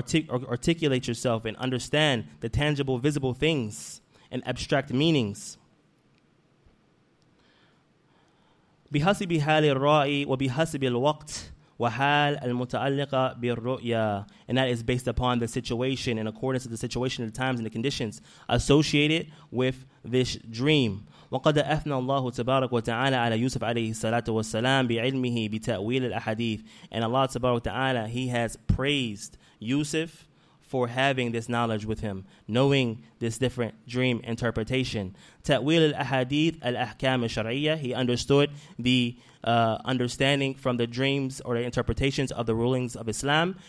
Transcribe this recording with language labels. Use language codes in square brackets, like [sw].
[en] Articulate yourself and understand the tangible, visible things and abstract meanings. [ar] بحسب حال الرأي وبحسب الوقت وحال المتعلقة بالرؤية. [en] And that is based upon the situation, in accordance with the situation, the times and the conditions associated with this dream. [ar] وقد أثنى الله تبارك وتعالى على يوسف عليه الصلاة والسلام بعلمه بتأويل الأحاديث. [en] And Allah تبارك وتعالى, He has praised Yusuf for having this knowledge with him, knowing this different dream interpretation. [ar] Ta'wil al-ahadith al-ahkam al-shar'iyya. [en] He understood the understanding from the dreams or the interpretations of the rulings of Islam.